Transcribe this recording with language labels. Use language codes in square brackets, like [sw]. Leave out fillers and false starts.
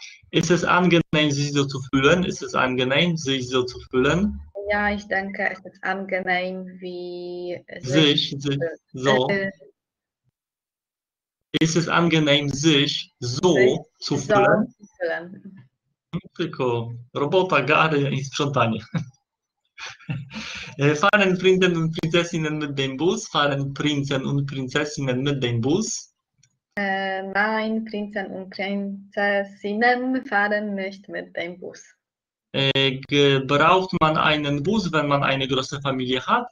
[de] Ist es angenehm, sich so zu fühlen? Ist es angenehm, sich so zu fühlen? Ja, ich denke, es ist angenehm, wie sich. Sich so. Ist es angenehm, sich so zu So. fühlen? [pl] Tylko robota, gary i sprzątanie. [de] Fahren Prinzen und Prinzessinnen mit dem Bus? Fahren Prinzen und Prinzessinnen mit dem Bus? Nein, Prinzen und Prinzessinnen fahren nicht mit dem Bus. Braucht man einen Bus, wenn man eine große Familie hat?